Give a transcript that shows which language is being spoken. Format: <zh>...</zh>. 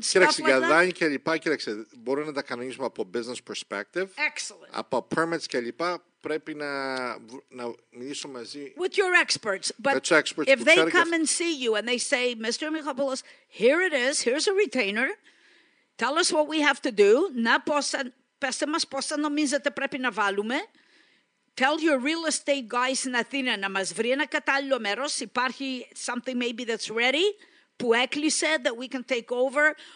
<el>Κοίταξε, για δάνεια και λοιπά, κοίταξε, μπορούμε να τα κανονίσουμε από</el> <en>business perspective. Excellent.</en> <el>Από permits και λοιπά, πρέπει να μιλήσω μαζί.</el> <en>With your experts. But with your experts, if they come and see you and they say, Mr. Michopoulos, here it is, here's a retainer, tell us what we have to do.</en> <el>Να πόσα, πέστε μας πόσα νομίζετε πρέπει να βάλουμε.</el> <en>Tell your real estate guys in Athena</en> <el>να μας βρει ένα κατάλληλο μέρος. Υπάρχει</el> <en>something maybe that's ready,</en> <el>που έκλεισε,</el> <en>that we can take over.</en>